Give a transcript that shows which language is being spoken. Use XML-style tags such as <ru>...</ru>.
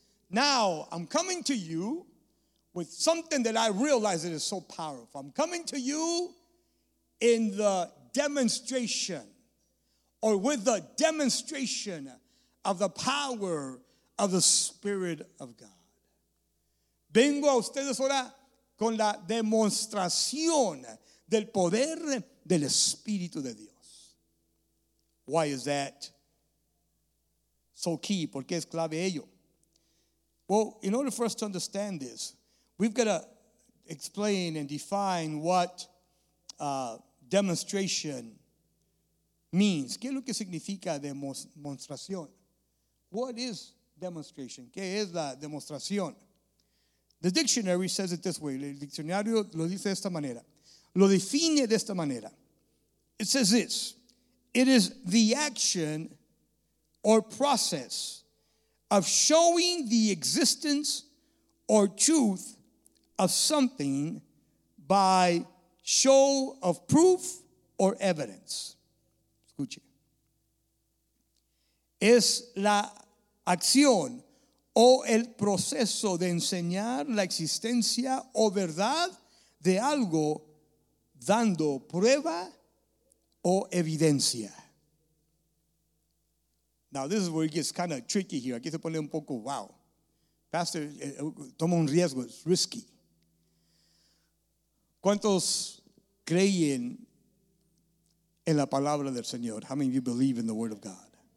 <en>Now, I'm coming to you with something that I realize that is so powerful. I'm coming to you in the demonstration or with the demonstration of the power of the Spirit of God.</en> <es>Vengo a ustedes ahora con la demostración del poder del Espíritu de Dios.</es> <en>Why is that so key?</en> <es>¿Por qué es clave ello?</es> <en>Well, in order for us to understand this, we've got to explain and define what demonstration means.</en> <es>¿Qué es lo que significa demostración?</es> <en>What is demonstration?</en> <es>¿Qué es la demostración?</es> <en>The dictionary says it this way.</en> <es>El diccionario lo dice de esta manera. Lo define de esta manera.</es> <en>It says this. It is the action or process of showing the existence or truth of something by show of proof or evidence.</en> <es>Escuche. Es la acción o el proceso de enseñar la existencia o verdad de algo dando prueba o evidencia.</es> <en>Now, this is where it gets kind of tricky here.</en> <es>Aquí se pone un poco, wow. Pastor, toma un riesgo,</es> <en>it's risky.</en> <es>¿Cuántos creen en la palabra del Señor?</es> <en>How many of you believe in the Word of God?</en>